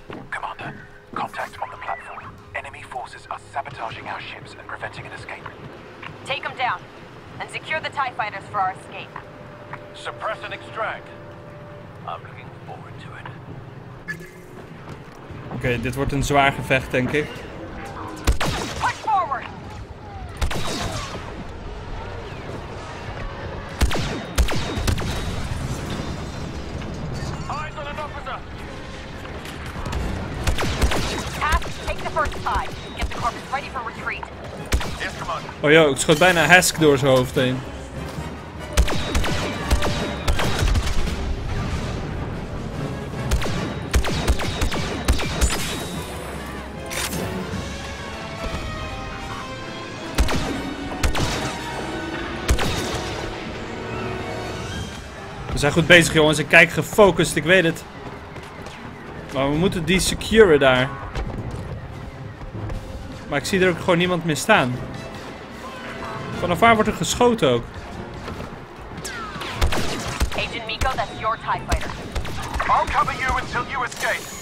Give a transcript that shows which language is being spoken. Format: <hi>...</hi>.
<en>Commander, contact on the platform. Enemy forces are sabotaging our ships and preventing an escape. Take them down. And secure the TIE fighters for our escape. Suppress and extract. I'm looking forward to it.</en> <nl>Oké, dit wordt een zwaar gevecht, denk ik.</nl> <en>Push forward. Eyes on an officer. Cap, take the first side. Get the corpus ready for retreat.</en> <nl>Oh joh, ik schoot bijna Hask door zijn hoofd heen. We zijn goed bezig jongens, ik kijk gefocust, ik weet het. Maar we moeten die securen daar. Maar ik zie er ook gewoon niemand meer staan. Vanaf waar wordt er geschoten ook?</nl> <en>Agent Miko, that's your TIE fighter. I'll cover you until you escape.</en>